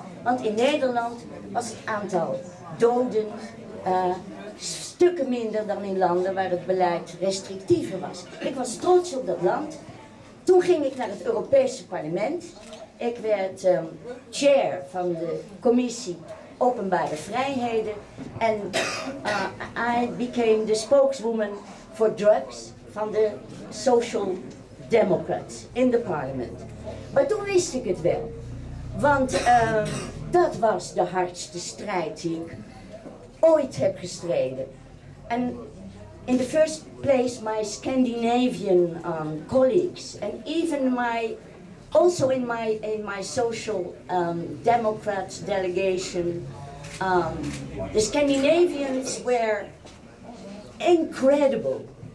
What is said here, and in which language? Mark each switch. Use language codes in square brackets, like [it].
[nl] Want in Nederland was het aantal doden stukken minder dan in landen waar het beleid restrictiever was. Ik was trots op dat land. Toen ging ik naar het Europese parlement. Ik werd chair van de commissie openbare vrijheden. [en] En I became the spokeswoman for drugs [nl] van de [en] Social Democrats in the parliament. [nl] Maar toen wist ik het wel. Want dat was de hardste strijd die ik ooit heb gestreden. [en] En in the first place my Scandinavian colleagues and even my also in my social Democrats delegation, the Scandinavians were incredible.